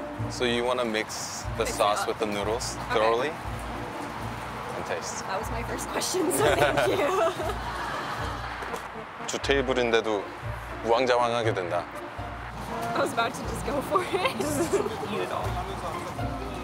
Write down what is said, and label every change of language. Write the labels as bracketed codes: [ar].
[en] So you want to mix the sauce with the noodles thoroughly and taste. That was my first question, so thank you. [ko] 두 테이블인데도 우왕좌왕하게 된다. [en] I was about to just go for it.